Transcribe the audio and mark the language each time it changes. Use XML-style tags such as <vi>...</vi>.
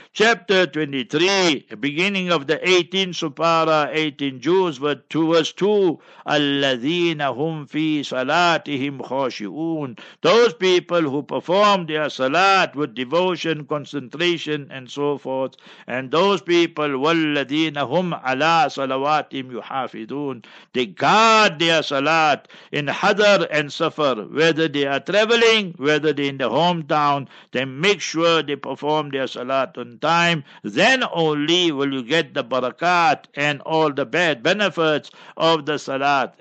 <en>Chapter 23, beginning of the 18th supara, 18 Jews, verse 2,</en> <ar>الَّذِينَ هُمْ فِي صَلَاتِهِمْ خَوْشِئُونَ.</ar> <en>Those people who perform their salat with devotion, concentration, and so forth. And those people,</en> <ar>وَالَّذِينَ هُمْ عَلَىٰ صَلَوَاتِهِمْ يُحَافِظُونَ.</ar> <en>They guard their salat in hadar and safar. Whether they are traveling, whether they're in the hometown, they make sure they perform their salat on time. Then only will you get the barakat and all the bad benefits of the salat.</en>